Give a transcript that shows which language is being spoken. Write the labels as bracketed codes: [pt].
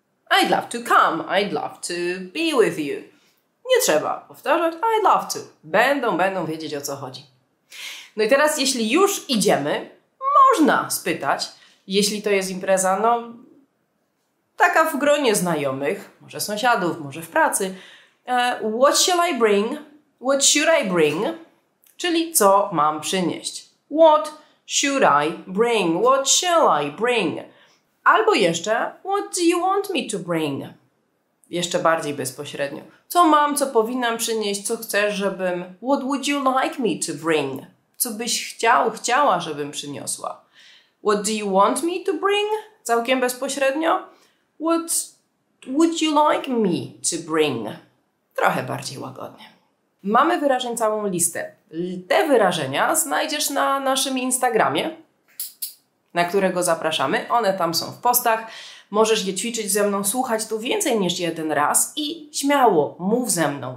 [en] I'd love to come, I'd love to be with you. [pl] Nie trzeba powtarzać, [en] I'd love to. [pl] Będą wiedzieć, o co chodzi. No i teraz, jeśli już idziemy, można spytać, jeśli to jest impreza, no taka w gronie znajomych, może sąsiadów, może w pracy. [en] What shall I bring? What should I bring? [pl] Czyli co mam przynieść? [en] What should I bring? What shall I bring? [pl] Albo jeszcze, [en] what do you want me to bring? [pl] Jeszcze bardziej bezpośrednio. Co mam, co powinnam przynieść, co chcesz, żebym... [en] What would you like me to bring? [pl] Co byś chciała, żebym przyniosła? [en] What do you want me to bring? [pl] Całkiem bezpośrednio. [en] What would you like me to bring? [pl] Trochę bardziej łagodnie. Mamy wyrażeń całą listę. Te wyrażenia znajdziesz na naszym Instagramie, na którego zapraszamy. One tam są w postach. Możesz je ćwiczyć ze mną, słuchać tu więcej niż jeden raz i śmiało mów ze mną.